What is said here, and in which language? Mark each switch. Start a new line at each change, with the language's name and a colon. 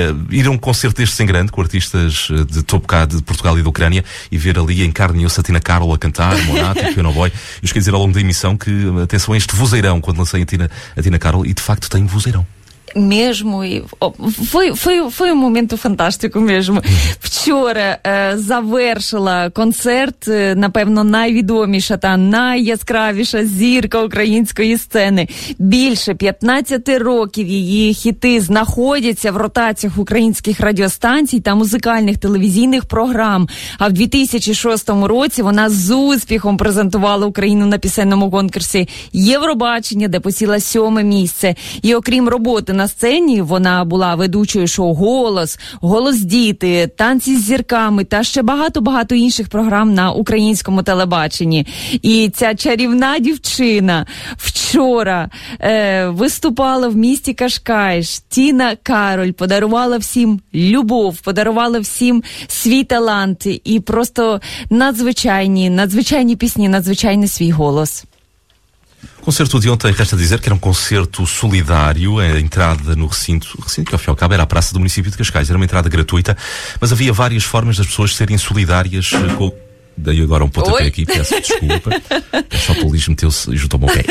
Portuguese: Ir a um concerto destes em grande, com artistas de topo cá de Portugal e da Ucrânia, e ver ali em carne e osso a Tina Carol a cantar, Monato, o Piano Boy. Eu esqueci de dizer ao longo da emissão que, atenção a este vozeirão, quando lancei a Tina Carol, e de facto tem vozeirão. mesmo, e foi um momento
Ukrainian: фантастику
Portuguese: mesmo.
Ukrainian: Вчора завершила концерт, напевно, найвідоміша та найяскравіша зірка української сцени. Більше 15 років її хіти знаходяться в ротаціях українських радіостанцій та музикальних телевізійних програм. А в 2006 році вона з успіхом презентувала Україну на пісенному конкурсі Євробачення, де посіла 7 місце. І окрім роботи на сцені, вона була ведучою шоу «Голос», «Голос діти», «Танці з зірками» та ще багато-багато інших програм на українському телебаченні. І ця чарівна дівчина вчора виступала в місті Кашкайш. Тіна Кароль подарувала всім любов, подарувала всім свій талант і просто надзвичайні пісні, надзвичайний свій голос.
Portuguese: Concerto de ontem, resta dizer que era um concerto solidário, a entrada no recinto que ao fim e ao cabo era a Praça do Município de Cascais, era uma entrada gratuita, mas havia várias formas das pessoas serem solidárias com... Dei agora um pontapé aqui, peço desculpa. O chapulismo meteu-se e juntou-me ao pé.